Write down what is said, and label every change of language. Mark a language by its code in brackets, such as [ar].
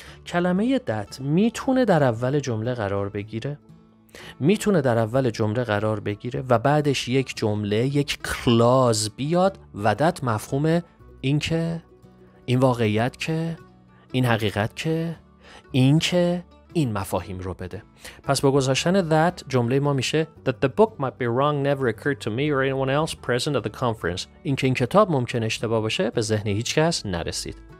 [fa] کلمه that میتونه در اول جمله قرار بگیره، میتونه در اول جمله قرار بگیره و بعدش یک جمله، یک کلاز بیاد، و that مفهومه این که، این واقعیت که، این حقیقت که، این که، این مفاهیم رو بده. پس با گذاشتن that جمله ما میشه [en] that the book might be wrong, never occurred to me or anyone else present at the conference. [fa] این که این کتاب ممکن اشتباه باشه، به ذهن هیچ کس نرسید.